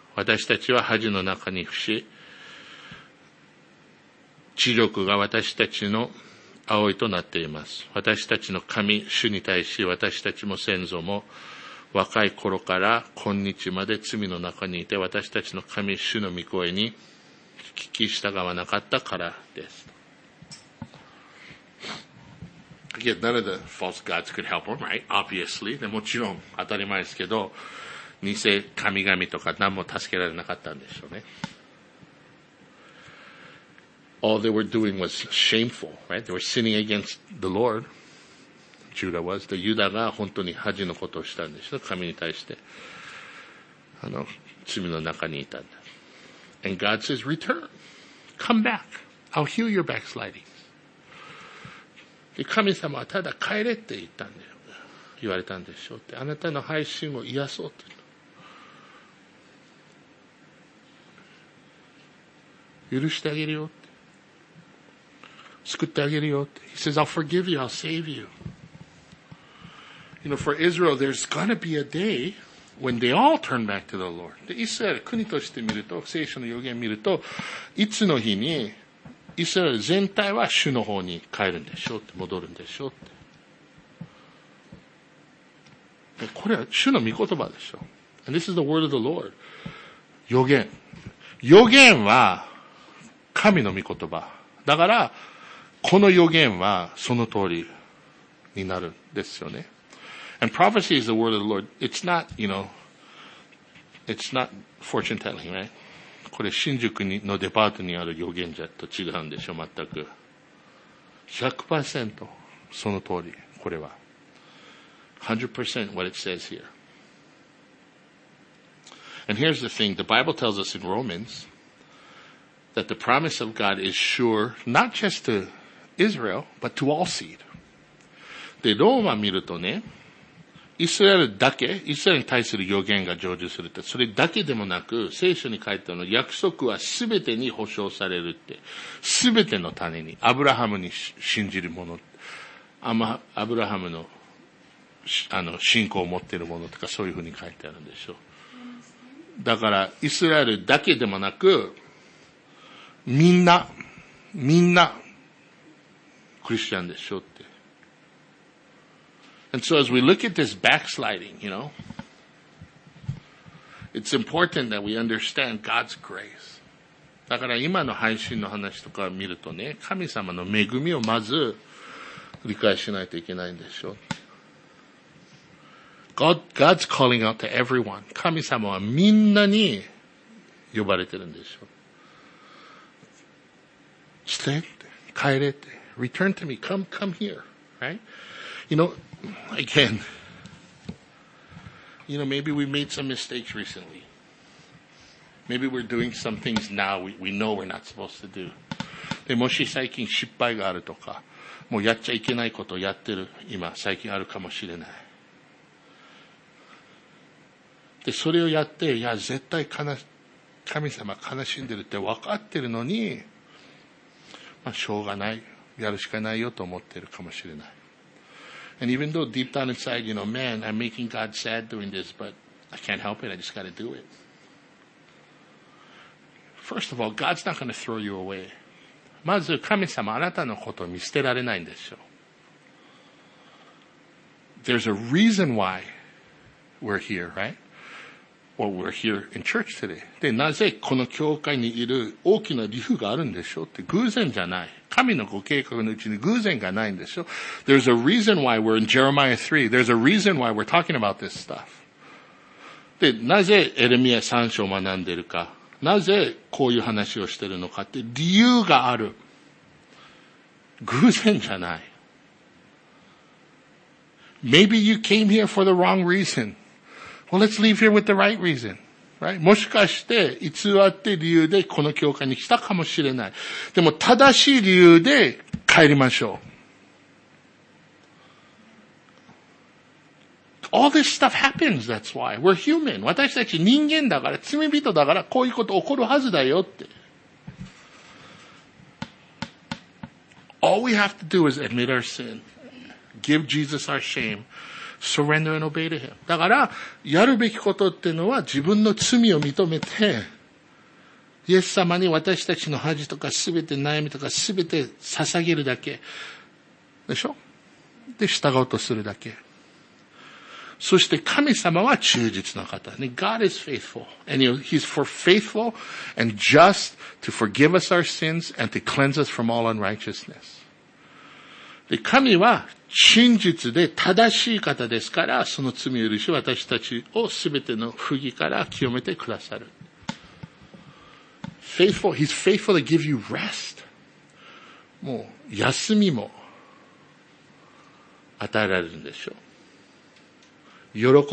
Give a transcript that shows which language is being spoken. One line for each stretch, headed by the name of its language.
Japanese: 私たちは恥の中に伏し、地力が私たちの葵となっています。私たちの神、主に対し、私たちも先祖も、若い頃から今日まで罪の中にいて、私たちの神、主の御声に聞き従わなかったからです。
English: Again, none of the false gods could help him, right? Obviously.
Japanese: でもちろん、当たり前ですけど、偽神々とか何も助けられなかったんでしょうね。
English: All they were doing was shameful, right? They were sinning against the Lord. Judah was.
Japanese: The Judah が本当に恥のことをしたんでしょう。神に対して。罪の中にいたんだ。
English: And God says, return. Come back. I'll heal your backsliding.
Japanese: で神様はただ帰れって言ったんだよ。言われたんでしょうって。あなたの配信を癒そうっていうの。許してあげるよって。救ってあげるよって。
English: He says, I'll forgive you, I'll save you. You know, for Israel, there's gonna be a day when they all turn back to the Lord.
Japanese: で、イスラエル国として見ると、聖書の予言を見ると、いつの日に、イスラエル全体は主の方に帰るんでしょうって、戻るんでしょうって。これは主の御言葉でしょ。
English: And this is the word of the Lord.
Japanese: 予言。予言は神の御言葉。だから、この予言はその通りになるんですよね。
English: And prophecy is the word of the Lord. It's not, you know, it's not fortune telling, right?
Japanese: これ新宿のデパートにある預言者と違うんでしょ、全く。
English: 100%
Japanese: その通り、これは。
English: 100% what it says here. And here's the thing, the Bible tells us in Romans that the promise of God is sure, not just to Israel, but to all seed.
Japanese: で、ローマ見るとね、イスラエルだけ、イスラエルに対する予言が成就するって、それだけでもなく、聖書に書いてあるの、約束はすべてに保証されるって、すべての種に、アブラハムに信じる者、アブラハムの、信仰を持っている者とか、そういうふうに書いてあるんでしょう。だから、イスラエルだけでもなく、みんな、クリスチャンでしょうって。
English: And so as we look at this backsliding, you know, it's important that we understand God's grace.
Japanese: だから今の配信の話とかを見るとね、神様の恵みをまず理解しないといけないんでしょう。
English: God's calling out to everyone.
Japanese: 神様はみんなに呼ばれてるんでしょう。
English: Stay,
Japanese: 帰れって。
English: Return to me. Come here. Right? You know,Again, you know, maybe we made some mistakes recently. Maybe we're doing some things now we know we're not supposed to do.
Japanese: でもし最近失敗があるとか、もうやっちゃいけないことをやってる今最近あるかもしれない。でそれをやって、いや絶対神様悲しんでるって分かってるのに、まあしょうがない、やるしかないよと思ってるかもしれない。
English: And even though deep down inside, you know, man, I'm making God sad doing this, but I can't help it. I just got to do it. First of all, God's not going to throw you away.
Japanese: まず神様あなたのことを見捨てられないんでしょう。
English: There's a reason why we're here, right? Or we're here in church today.
Japanese: で、なぜこの教会にいる大きな理由があるんでしょうって偶然じゃない。神のご計画のうちに偶然がないんでしょ。
English: There's a reason why we're in Jeremiah 3. There's a reason why we're talking about this stuff.
Japanese: で、なぜエレミア3章を学んでるか。なぜこういう話をしてるのかって理由がある。偶然じゃない。
English: Maybe you came here for the wrong reason. Well, let's leave here with the right reason. Right?
Japanese: もしかして、偽って理由でこの教会に来たかもしれない。でも、正しい理由で帰りましょう。
English: All this stuff happens, that's why. We're human.
Japanese: 私たち人間だから、罪人だから、こういうこと起こるはずだよって。
English: All we have to do is admit our sin. Give Jesus our shame. Surrender and obey to him.
Japanese: だから、やるべきことっていうのは、自分の罪を認めて、イエス様に私たちの恥とか、すべて悩みとか、すべて捧げるだけ。でしょ? で、従おうとするだけ。そして、神様は忠実な方。
English: ね、God is faithful. And he's for faithful and just to forgive us our sins and to cleanse us from all unrighteousness.
Japanese: で神は真実で正しい方ですから、その罪を許し、私たちをすべての不義から清めてくださる。
English: Faithful, he's faithful to give you rest.
Japanese: もう、休みも与えられるんでしょう。